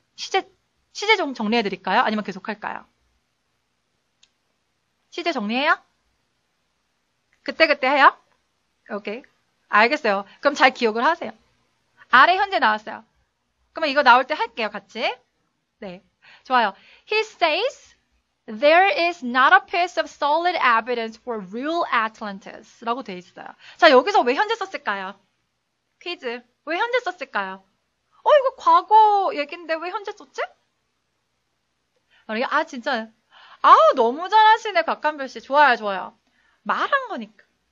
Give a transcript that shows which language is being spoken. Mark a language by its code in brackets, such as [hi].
[ko] 시제 좀 정리해드릴까요? 아니면 계속할까요? 시제 정리해요? 그때 해요? 오케이. 알겠어요. 그럼 잘 기억을 하세요. 아래 현재 나왔어요. 그러면 이거 나올 때 할게요, 같이. 네. 좋아요. [en] He says, There is not a piece of solid evidence for real Atlantis. [ko] 라고 돼 있어요. 자, 여기서 왜 현재 썼을까요? 퀴즈. 왜 현재 썼을까요? 이거 과거 얘긴데 왜 현재 썼지? 아, 진짜. 아우, 너무 잘하시네, 곽한별 씨. 좋아요, 좋아요. 말한 거니까.